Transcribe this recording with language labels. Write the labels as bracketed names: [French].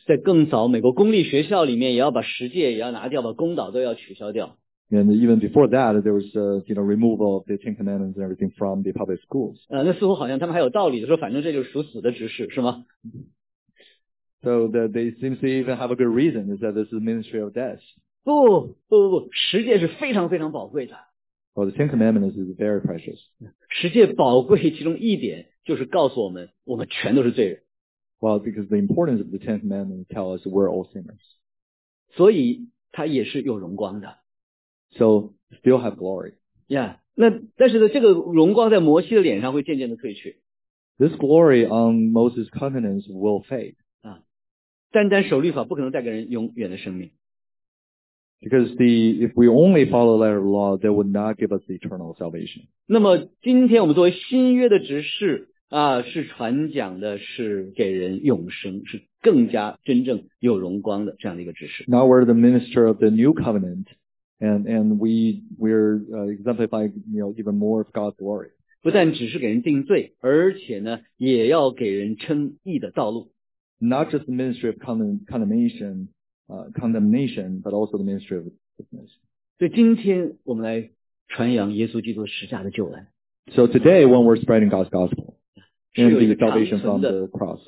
[Chinese] 在更早，美国公立学校里面也要把十诫也要拿掉，把公导都要取消掉。 [English] And even before that, there was, you know, removal of the Ten Commandments and everything from the public schools. [Chinese] 那似乎好像他们还有道理的说，反正这就是属死的执事，是吗？ [English] So that they seem to even have a good reason is that this is ministry of death. [Chinese] 不不不不，十诫是非常非常宝贵的。 [English] Well, the Ten Commandments is very precious. [Chinese] 十诫宝贵其中一点就是告诉我们，我们全都是罪人。 [English] Well, because the importance of the Ten Commandments tell us we're all sinners. [Chinese] 所以它也是有荣光的。 [English] So, still have glory. [Chinese] Yeah, 那但是呢，这个荣光在摩西的脸上会渐渐的褪去。 [English] This glory on Moses' countenance will fade. [Chinese] 啊，单单守律法不可能带给人永远的生命。 [English] Because if we only follow the letter of law, that would not give us eternal salvation. [Chinese] 那么今天我们作为新约的执事啊，是传讲的是给人永生，是更加真正有荣光的这样的一个执事。 [English] Now we're the minister of the new covenant. And we're exemplifying, you know, even more of God's glory. [Chinese] 不但只是给人定罪，而且呢，也要给人称义的道路。 [English] Not just the ministry of condemnation, but also the ministry of forgiveness. [Chinese] 所以今天我们来传扬耶稣基督十架的救恩。 [English] So today, when we're spreading God's gospel, and the salvation from the cross,